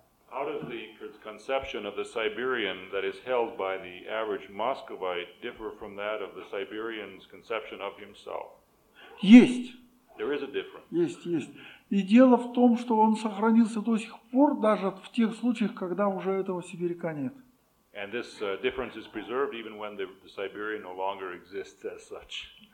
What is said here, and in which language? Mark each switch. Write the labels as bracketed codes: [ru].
[en] how does the conception of the Siberian that is held by the average Moscovite differ from that of the Siberian's conception of himself? [ru] Есть. [en] There is a difference. [ru] Есть, есть. И дело в том, что он сохранился до сих пор даже в тех случаях, когда уже этого сибиряка нет. [en] And this difference is preserved even when the Siberian no longer exists as such.